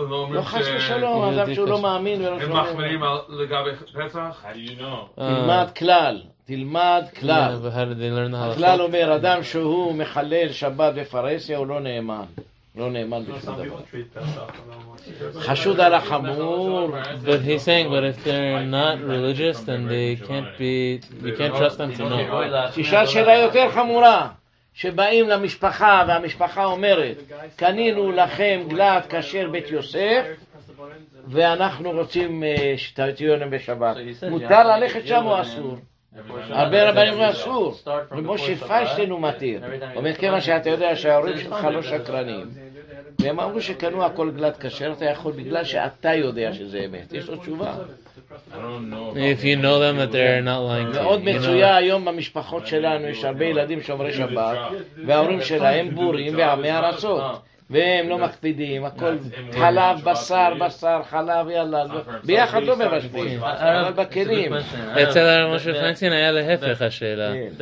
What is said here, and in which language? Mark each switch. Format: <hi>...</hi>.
<he>לא חס ושלום, אדם שהוא לא מאמין ולא שומע. הם מחמירים לגבי פסח? תלמד כלל, תלמד כלל. הכלל אומר, אדם שהוא מחלל שבת בפרסיה, הוא לא נאמן. לא נאמן בשביל דבר. חשוד על החמור.</he> <en>But he's saying, but if they're not religious, then they can't be, you can't trust them to know.</en> <he>תשאל שאלה יותר חמורה. שבאים למשפחה והמשפחה אומרת קנינו לכם גלעד כשר בית יוסף ואנחנו רוצים שתהיו לנו בשבת מותר ללכת שם או אסור הרבה רבנים אסור ומשה פיינשטיין הוא מתיר אומר כמה שאתה יודע שההורים שלך לא שקרנים והם אמרו שקנו הכל גלעד כשר אתה יכול בגלל שאתה יודע שזה אמת יש לו תשובה</he> <en>If you know them, that they're not lying to you.</en> <he>מאוד מצויה היום במשפחות שלנו, יש הרבה ילדים שומרי שבת, וההורים שלהם בורים ועמי ארצות, והם לא מקפידים, הכל חלב, בשר, בשר, חלב, יאללה, ביחד לא מבשבים, אבל בכלים. אצל הרב משה פיינשטיין היה להפך השאלה.</he>